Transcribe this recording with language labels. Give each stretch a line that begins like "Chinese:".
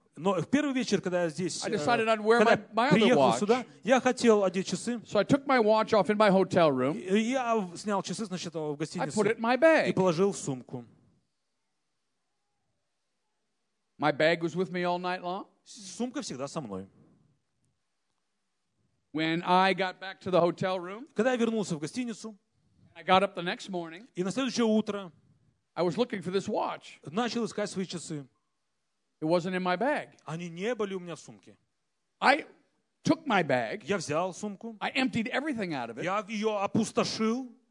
Russian: Но в первый вечер, когда я здесь,
English: I decided I'd wear my other watch.
Russian: Сюда, я хотел одеть часы.
English: So I took my watch off in my hotel room.
Russian: Я снял часы, значит, в гостинице.
English: I put it in my bag.
Russian: И положил в сумку.
English: My bag was with me all night long.
Russian: Сумка всегда со мной.
English: When I got back to the hotel room.
Russian: Когда я вернулся в гостиницу.
English: I got up the next morning.
Russian: И на следующее утро.
English: I was looking for this watch.
Russian: Начал искать свои часы.
English: It wasn't in my bag.
Russian: Они не были у меня в сумке.
English: I took my bag.
Russian: Я взял сумку.
English: I emptied everything out of it.
Russian: Я ее опустошил.